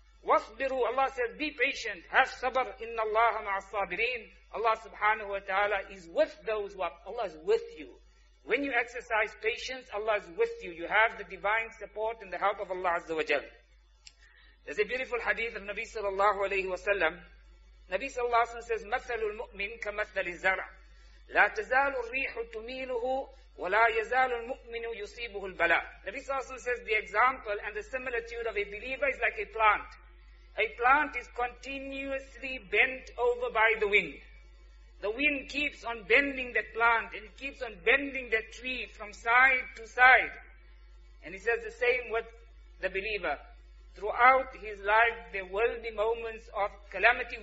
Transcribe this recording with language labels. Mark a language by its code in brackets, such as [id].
[en] Wasbiru, Allah says, be patient, have sabr, [ar] inna allaha ma'as sabirin. [en] Allah subhanahu wa ta'ala is with those who are, Allah is with you. When you exercise patience, Allah is with you. You have the divine support and the help of Allah azza wa jal. There's a beautiful hadith of Nabi sallallahu alayhi wa sallam. Nabi sallallahu alayhi wa sallam says, [ar] مَثَلُ الْمُؤْمِنِ كَمَثَلِ الزَّرْعِ لَا تَزَالُ الرِّيحُ تُمِيلُهُ وَلَا يَزَالُ الْمُؤْمِنُ يُصِيبُهُ الْبَلَاءِ. [en] Nabi sallallahu alayhi wa sallam says, the example and the similitude of a believer is like a plant. A plant is continuously bent over by the wind. The wind keeps on bending that plant, and it keeps on bending that tree from side to side. And he says the same with the believer. Throughout his life, there will be moments of calamity.